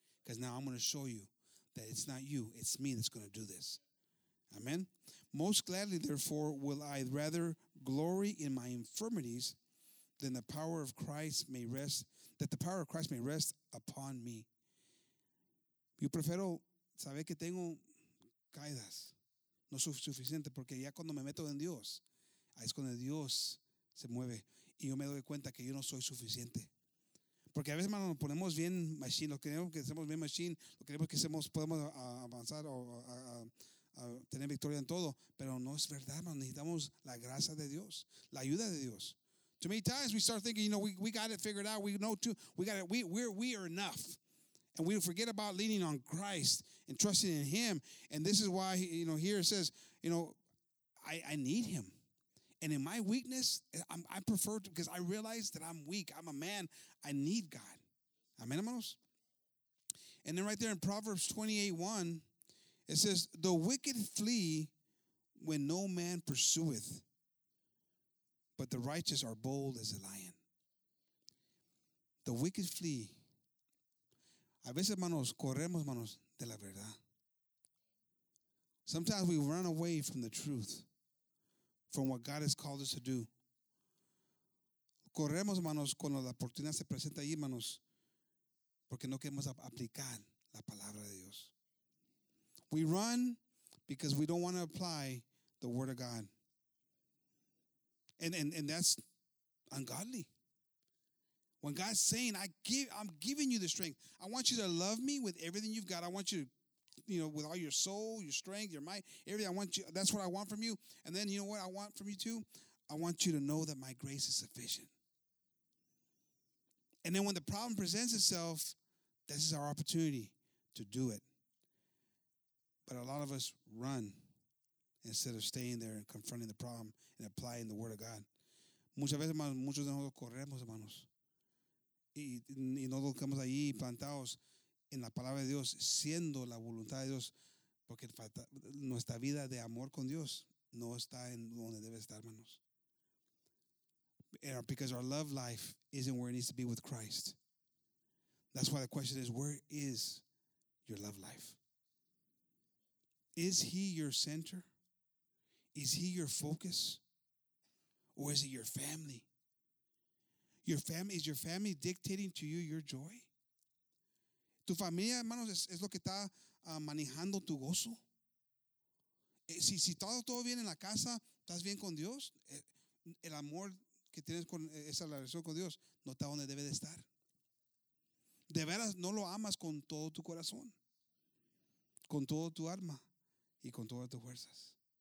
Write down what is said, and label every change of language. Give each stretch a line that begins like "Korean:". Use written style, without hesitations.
English: Because now I'm going to show you that it's not you, it's me that's going to do this. Amen. Most gladly, therefore, will I rather glory in my infirmities, then the power of Christ may rest, that the power of Christ may rest upon me.
Spanish: Yo prefiero saber que tengo caídas. No es suficiente, porque ya cuando me meto en Dios, ahí es cuando Dios se mueve. Y yo me doy cuenta que yo no soy suficiente. Porque a veces, hermano, nos ponemos bien machine, lo queremos que seamos bien machine, lo queremos que seamos, podemos avanzar o a tener victoria en todo. Pero no es verdad, hermano. Necesitamos la gracia de Dios, la ayuda de Dios.
English: Too many times we start thinking, you know, we got it figured out. We know too. We got it. We are enough. And we forget about leaning on Christ and trusting in him. And this is why, you know, here it says, you know, I need him. And in my weakness, I prefer to, because I realize that I'm weak. I'm a man. I need God. Amen, hermanos? And then right there in Proverbs 28:1, it says, the wicked flee when no man pursueth, but the righteous are bold as a lion. The wicked flee.
Spanish: A veces, hermanos, corremos, hermanos, de la verdad.
English: Sometimes we run away from the truth, from what God has called us to do.
Spanish: Corremos, hermanos, cuando la oportunidad se presenta ahí, hermanos, porque no queremos aplicar la palabra de Dios.
English: We run because we don't want to apply the word of God. And that's ungodly. When God's saying, I'm giving you the strength. I want you to love me with everything you've got. I want you to, you know, with all your soul, your strength, your might, everything. That's what I want from you. And then you know what I want from you too? I want you to know that my grace is sufficient. And then when the problem presents itself, this is our opportunity to do it. But a lot of us run instead of staying there and confronting the problem and applying the word of God.
Spanish: Muchas veces, hermanos, muchos de nosotros corremos, hermanos. Y no nos quedamos allí plantados en la palabra de Dios, siendo la voluntad de Dios, porque nuestra vida de amor con Dios no está en donde debe estar, hermanos.
English: Because our love life isn't where it needs to be with Christ. That's why the question is, where is your love life? Is he your center? Is he your focus? Or is it your family? Is your family dictating to you your joy?
Spanish: ¿Tu familia, hermanos, es lo que está manejando tu gozo? Si todo viene en la casa, ¿estás bien con Dios? El amor que tienes con esa relación con Dios no está donde debe de estar. De veras, no lo amas con todo tu corazón, con todo tu alma y con todas tus fuerzas.